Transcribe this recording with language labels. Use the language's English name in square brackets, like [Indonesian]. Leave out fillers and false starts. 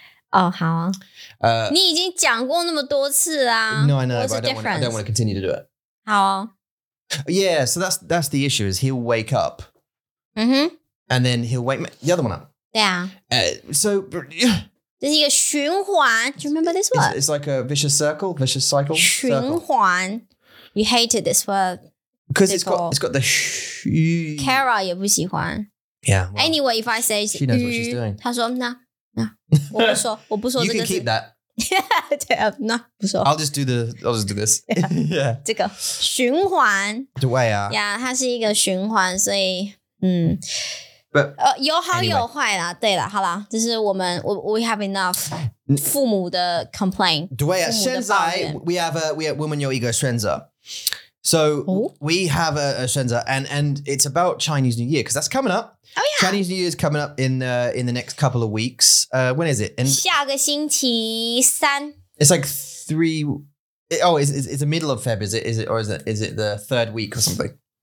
[Chinese] 哦、oh, 好啊、你已经讲过那么多次啊 [English] No, I know, but I don't want to continue to do it [Chinese] 好 [English] 哦 Yeah, so that's the issue, is he'll wake up Mm-hmm. And then he'll wake the other one up. Yeah. So, yeah. This is a 循环.Do you remember this word? It's like a vicious cycle. 循环.You hated this word. Because it's got the 虚. [Chinese] Kara 也不喜欢. [English] Yeah. Well, anyway, if I say 虚, she knows what she's doing. [Chinese] 她说, no, no. 我不说, 我不说这个字. [English] You can keep that. Yeah, no, 不说. I'll just do this. Yeah. yeah. [Chinese] 这个循环. [English] The way, [Chinese] Yeah, 它是一个循环, 所以。 [English] But, [Chinese] 有好有坏啦 [English] anyway, [Chinese] 对啦好啦这是我们 we have enough 父母的 complain 对啊现在 我们有一个选择 So、 Ooh? [English] We have a 选择 and it's about Chinese New Year because that's coming up、 oh, yeah. Chinese New Year is coming up in the next couple of weeks when is it? [Chinese] And 下个星期三 [English] It's like three Oh, it's the middle of Feb is it, or is it the third week or something?